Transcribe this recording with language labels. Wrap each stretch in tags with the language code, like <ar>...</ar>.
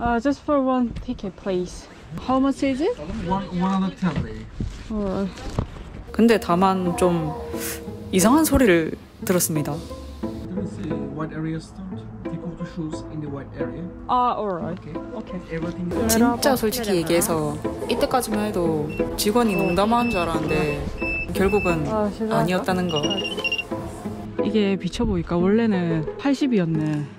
<en>Just for one ticket, please. How much is it? 110.</en> <ko>근데 다만 좀 이상한 소리를 들었습니다.</ko> <en>There is a white area stand. Take off the shoes in the white area. Alright. Okay.</en> <ko>진짜 솔직히 얘기해서 이때까지만 해도 직원이 농담하는 줄 알았는데 결국은 아니었다는 거. 이게 비쳐 보니까 원래는 80이었네.</ko>